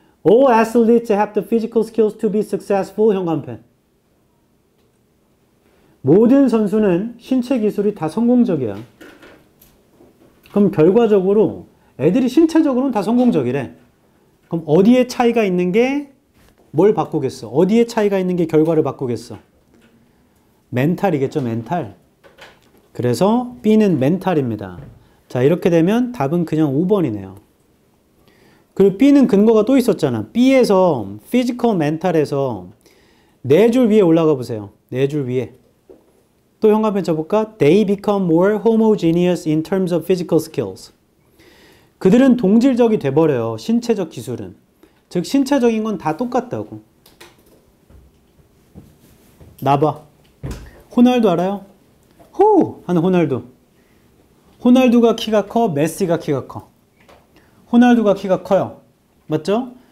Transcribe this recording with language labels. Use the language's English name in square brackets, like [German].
[English] All athletes have the physical skills to be successful. [Korean] 현관펜. 모든 선수는 신체 기술이 다 성공적이야. 그럼 결과적으로 애들이 신체적으로는 다 성공적이래. 그럼 어디에 차이가 있는 게 뭘 바꾸겠어? 어디에 차이가 있는 게 결과를 바꾸겠어? 멘탈이겠죠, 멘탈. 그래서 B는 멘탈입니다. 자, 이렇게 되면 답은 그냥 5번이네요. 그리고 B는 근거가 또 있었잖아. B에서 피지컬 멘탈에서 네 줄 위에 올라가 보세요. 네 줄 위에. 또 현관펜 쳐볼까? [English] They become more homogeneous in terms of physical skills. [Korean] 그들은 동질적이 돼버려요. 신체적 기술은. 즉 신체적인 건 다 똑같다고. 나봐. 호날두 알아요? 후! 하는 호날두. 호날두가 키가 커? 메시가 키가 커? 호날두가 키가 커요. 맞죠?